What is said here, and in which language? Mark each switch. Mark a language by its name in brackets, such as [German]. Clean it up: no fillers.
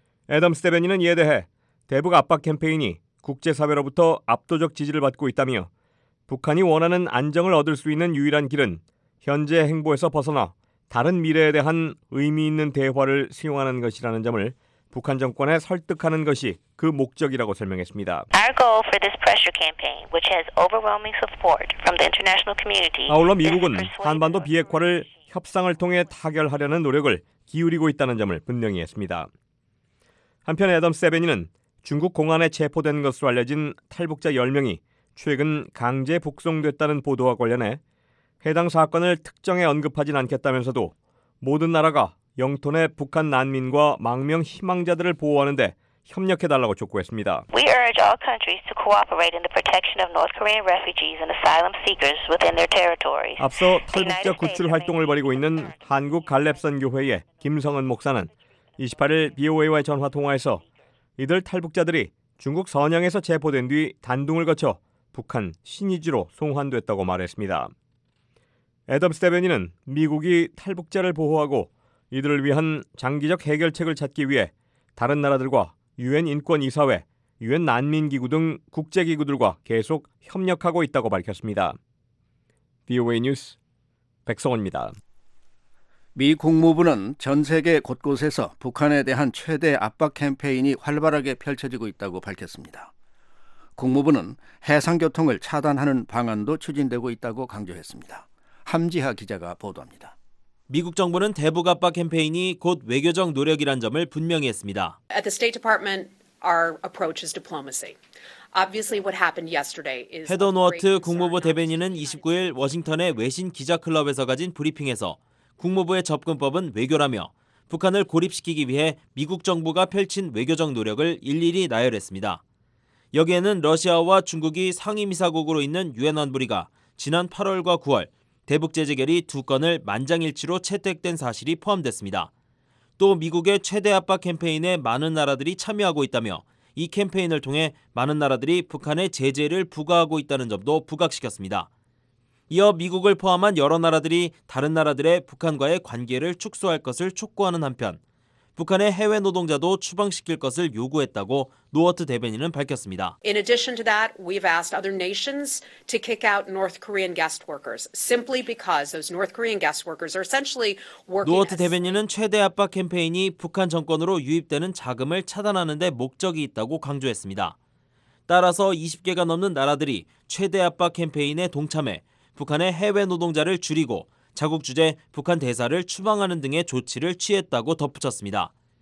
[Korean] 애덤스 대변인은 이에 대해 대북 압박 캠페인이 국제사회로부터 압도적 지지를 받고 있다며 북한이 원하는 안정을 얻을 수 있는 유일한 길은 현재 행보에서 벗어나 다른 미래에 대한 의미 있는 대화를 수용하는 것이라는 점을 북한 정권에 설득하는 것이 그 목적이라고 설명했습니다. [English] Our goal for this pressure campaign, which has overwhelming support from the international community. [Korean] 아울러 미국은 한반도 비핵화를 협상을 통해 타결하려는 노력을 기울이고 있다는 점을 분명히 했습니다. 한편 애덤 세베니는 중국 공안에 체포된 것으로 알려진 탈북자 10명이 최근 강제 북송됐다는 보도와 관련해 해당 사건을 특정해 언급하진 않겠다면서도 모든 나라가 영토 내 북한 난민과 망명 희망자들을 보호하는 데 협력해달라고 촉구했습니다. [English] We urge all countries to cooperate in the protection of North Korean refugees and asylum seekers within their territories. [Korean] 앞서 탈북자 구출 활동을 벌이고 있는 한국 갈렙선교회의 김성은 목사는 28일 BOA와의 전화 통화에서 이들 탈북자들이 중국 선양에서 체포된 뒤 단둥을 거쳐 북한 신의지로 송환됐다고 말했습니다. 애덤 세베니는 미국이 탈북자를 보호하고 이들을 위한 장기적 해결책을 찾기 위해 다른 나라들과 유엔 인권 이사회, 유엔 난민기구 등 국제기구들과 계속 협력하고 있다고 밝혔습니다. VOA 뉴스 백성원입니다. 미 국무부는 전 세계 곳곳에서 북한에 대한 최대 압박 캠페인이 활발하게 펼쳐지고 있다고 밝혔습니다. 국무부는 해상교통을 차단하는 방안도 추진되고 있다고 강조했습니다. 함지하 기자가 보도합니다. 미국 정부는 대북 압박 캠페인이 곧 외교적 노력이란 점을 분명히 했습니다. [English] At the State Department, our approach is diplomacy. Obviously, what happened yesterday is. [Korean] 헤더 노어트 국무부 대변인은 29일 워싱턴의 외신 기자 클럽에서 가진 브리핑에서 국무부의 접근법은 외교라며 북한을 고립시키기 위해 미국 정부가 펼친 외교적 노력을 일일이 나열했습니다. 여기에는 러시아와 중국이 상임이사국으로 있는 유엔 안보리가 지난 8월과 9월 대북 제재 결의 두 건을 만장일치로 채택된 사실이 포함됐습니다. 또 미국의 최대 압박 캠페인에 많은 나라들이 참여하고 있다며 이 캠페인을 통해 많은 나라들이 북한에 제재를 부과하고 있다는 점도 부각시켰습니다. 이어 미국을 포함한 여러 나라들이 다른 나라들의 북한과의 관계를 축소할 것을 촉구하는 한편 북한의 해외 노동자도 추방시킬 것을 요구했다고 노어트 대변인은 밝혔습니다. [English] In addition to that, we've asked other nations to kick out North Korean guest workers simply because those North Korean guest workers are essentially working. [Korean] 노어트 대변인은 최대 압박 캠페인이 북한 정권으로 유입되는 자금을 차단하는 데 목적이 있다고 강조했습니다. 따라서 20개가 넘는 나라들이 최대 압박 캠페인에 동참해 북한의 해외 노동자를 줄이고 자국 주재 북한 대사를 추방하는 등의 조치를 취했다고 덧붙였습니다.